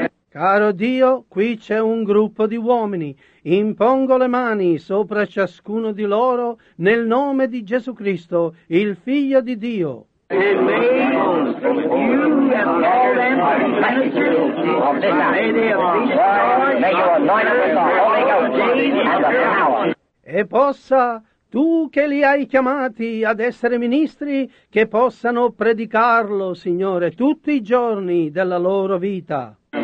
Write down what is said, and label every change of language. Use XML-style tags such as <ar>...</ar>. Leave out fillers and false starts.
<it>Caro Dio, qui c'è un gruppo di uomini. Impongo le mani sopra ciascuno di loro nel nome di Gesù Cristo, il Figlio di Dio.</it> <en>And may you have called them ministers. May they be strong. May you anoint them with the Holy Ghost and the power.</en> <it>E possa, tu che li hai chiamati ad essere ministri, che possano predicarlo, Signore, tutti i giorni della loro vita.</it>